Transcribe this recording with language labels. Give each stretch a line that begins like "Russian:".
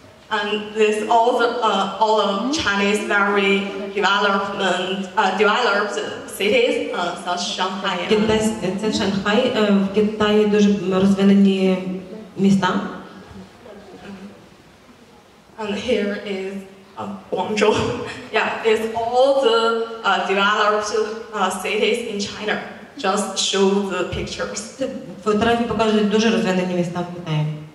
English: And this all of Chinese very developed cities such as Shanghai.
Ukrainian: Китай, це Шанхай, в Китаї дуже розвинені міста.
English: And here is Guangzhou. Yeah, it's all the developed cities in China. Just show the pictures.
Ukrainian: Фотографії показують дуже розвинені міста в Китаї.